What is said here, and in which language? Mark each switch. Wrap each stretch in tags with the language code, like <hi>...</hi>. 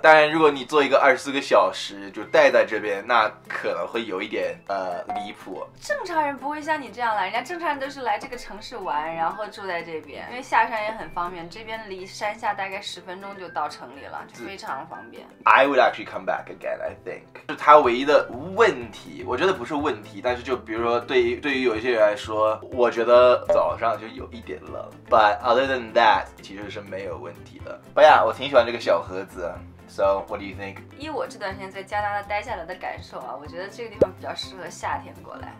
<zh>当然，如果你做一个24个小时就待在这边，那可能会有一点离谱。正常人不会像你这样来，人家正常人都是来这个城市玩，然后住在这边，因为下山也很方便，这边离山下大概10分钟就到城里了，就非常方便。</zh> <en>I would actually come back again, I think。</en> <zh>就他唯一的问题，我觉得不是问题，但是就比如说对于有一些人来说，我觉得早上就有一点冷。</zh> <en>But other than that。</en> <zh>that 其实是没有问题的。</zh> <en>But yeah,</en> <zh>我挺喜欢这个小盒子。</zh> <en>So, what do you think?</en> <zh>以我这段时间在加拿大待下来的感受啊，我觉得这个地方比较适合夏天过来。</zh>